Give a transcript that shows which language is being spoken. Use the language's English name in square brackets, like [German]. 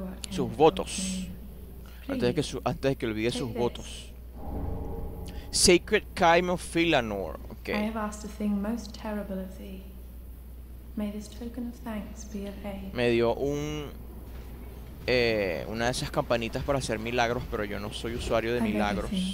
[Spanish] Sus votos. Antes de que olvide sus votos. [English] Sacred Chime of Philanor. Okay. I have asked a thing most terrible of thee. May this token of thanks be of aid. [Spanish] Me dio una de esas campanitas para hacer milagros, pero yo no soy usuario de milagros.